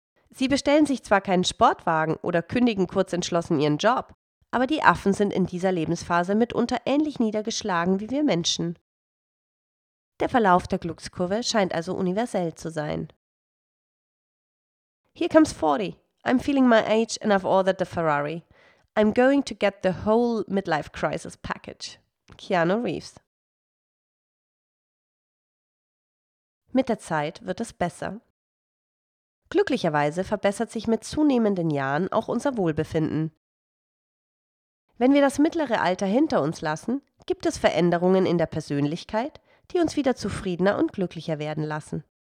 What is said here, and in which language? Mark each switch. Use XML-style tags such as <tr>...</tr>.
<de>Sie bestellen sich zwar keinen Sportwagen oder kündigen kurz entschlossen ihren Job, aber die Affen sind in dieser Lebensphase mitunter ähnlich niedergeschlagen wie wir Menschen. Der Verlauf der Glückskurve scheint also universell zu sein.</de> <en>Here comes 40. I'm feeling my age and I've ordered the Ferrari. I'm going to get the whole midlife crisis package. Keanu Reeves.</en> <de>Mit der Zeit wird es besser. Glücklicherweise verbessert sich mit zunehmenden Jahren auch unser Wohlbefinden. Wenn wir das mittlere Alter hinter uns lassen, gibt es Veränderungen in der Persönlichkeit, die uns wieder zufriedener und glücklicher werden lassen.</de>